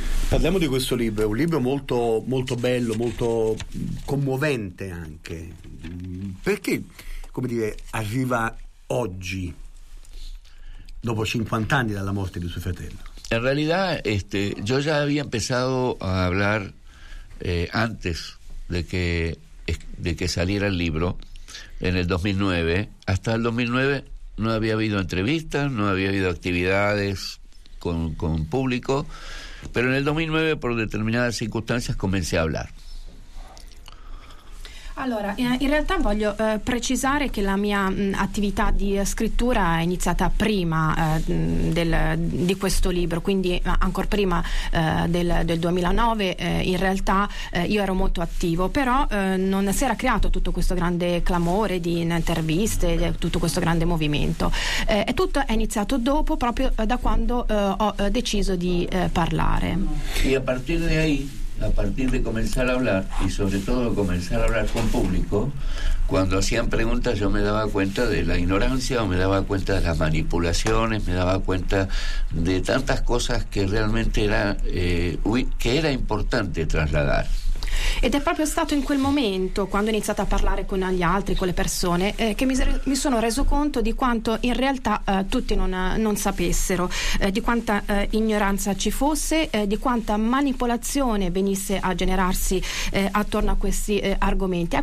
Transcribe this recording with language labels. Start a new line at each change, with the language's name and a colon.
Italian: Parliamo di questo libro, è un libro molto, molto bello, molto commovente anche. Perché, come dire, arriva oggi? Dopo
Spanish: 50 años de la muerte de su
Italian: fratello.
Spanish: En realidad, yo ya había empezado a hablar antes de que saliera el libro, en el 2009. Hasta el 2009 no había habido entrevistas, no había habido actividades con público, pero en el 2009, por determinadas circunstancias, comencé a hablar.
Italian: Allora, in realtà voglio precisare che la mia attività di scrittura è iniziata prima di questo libro, quindi ancora prima del 2009. In realtà io ero molto attivo, però non si era creato tutto questo grande clamore di interviste, tutto questo grande movimento. Tutto è iniziato dopo, proprio da quando ho deciso di parlare. E a partire da lì?
Spanish: A partir de comenzar a hablar, y sobre todo comenzar a hablar con público, cuando hacían preguntas yo me daba cuenta de la ignorancia, o me daba cuenta de las manipulaciones, me daba cuenta de tantas cosas que realmente era importante trasladar.
Italian: Ed è proprio stato in quel momento, quando ho iniziato a parlare con gli altri, con le persone, che mi sono reso conto di quanto in realtà tutti non sapessero, di quanta ignoranza ci fosse, di quanta manipolazione venisse a generarsi attorno a questi argomenti.